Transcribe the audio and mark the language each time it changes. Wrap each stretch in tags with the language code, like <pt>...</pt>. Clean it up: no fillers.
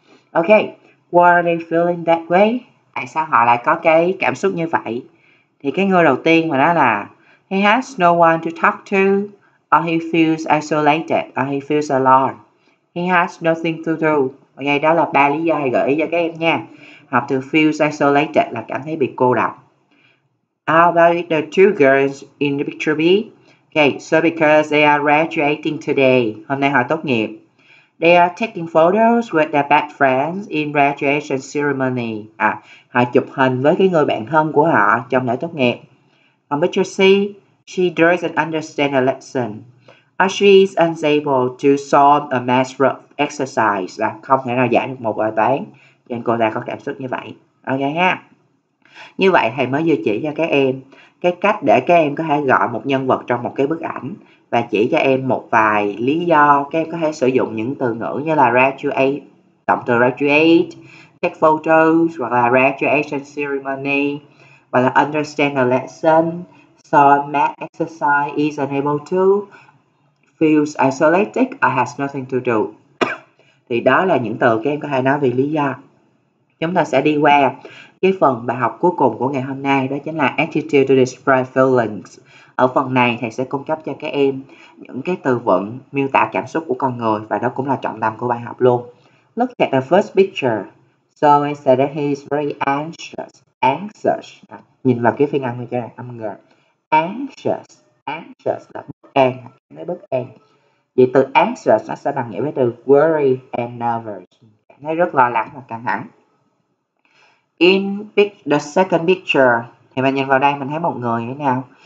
<en>Ok, why are they feeling that way?</en> <vi>Tại sao họ lại có cái cảm xúc như vậy? Thì cái người đầu tiên mà đó là</vi> <en>he has no one to talk to, or he feels isolated, or he feels alone. He has nothing to do.</en> <vi>Ok, đó là ba lý do hay gợi ý cho các em nha. Học từ feels isolated là cảm thấy bị cô độc.</vi> <en>How about the two girls in the picture B? Ok, so because they are graduating today,</en> <vi>hôm nay họ tốt nghiệp.</vi> <en>They are taking photos with their best friends in graduation ceremony.</en> <vi>Họ chụp hình với cái người bạn thân của họ trong lễ tốt nghiệp.</vi> <en>On picture C, she doesn't understand a lesson. Or she is unable to solve a math rough exercise.</en> <vi>Là không thể nào giải được một bài toán. Cho nên cô ta có cảm xúc như vậy. Ok ha. Như vậy thầy mới vừa chỉ cho các em cái cách để các em có thể gọi một nhân vật trong một cái bức ảnh, và chỉ cho em một vài lý do các em có thể sử dụng những từ ngữ như là graduate, động từ graduate, take photos, hoặc là graduation ceremony, hoặc là understand a lesson, so math exercise is unable to,</vi> <en>feels isolated or has nothing to do.</en> <vi>Thì đó là những từ các em có thể nói vì lý do. Chúng ta sẽ đi qua cái phần bài học cuối cùng của ngày hôm nay, đó chính là attitude to describe feelings. Ở phần này thầy sẽ cung cấp cho các em những cái từ vựng miêu tả cảm xúc của con người, và đó cũng là trọng tâm của bài học luôn.</vi> <en>Look at the first picture. So I said that he is very anxious. Anxious.</en> <vi>Nhìn vào cái phiên âm này cho là âm ngờ. Anxious. Anxious là bất an. Nói bất an. Vậy từ anxious nó sẽ đồng nghĩa với từ worry and nervous. Nói rất lo lắng và căng thẳng.</vi> <en>In the second picture,</en> <vi>thì mình nhìn vào đây mình thấy một người như thế nào?</vi>